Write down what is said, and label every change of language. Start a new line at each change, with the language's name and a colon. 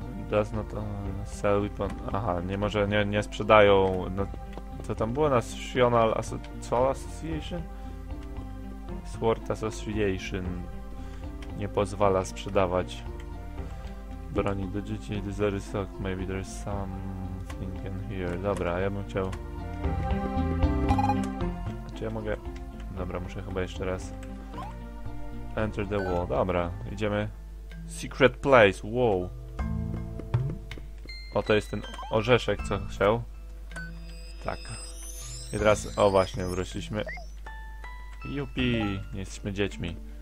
English: Does not sell weapon.
Polish: Aha, nie może, nie sprzedają. No, co tam było? National Association? Sword Association. Nie pozwala sprzedawać broni do dzieci.
English: There is stock. Maybe there's something in here.
Polish: Dobra, ja bym chciał. Czy ja mogę? Dobra, muszę chyba jeszcze raz.
English: Enter the wall.
Polish: Dobra, idziemy.
English: Secret place. Wow.
Polish: O, to jest ten orzeszek, co chciał. Tak. I teraz, o właśnie, wróciliśmy. Jupi, nie jesteśmy dziećmi.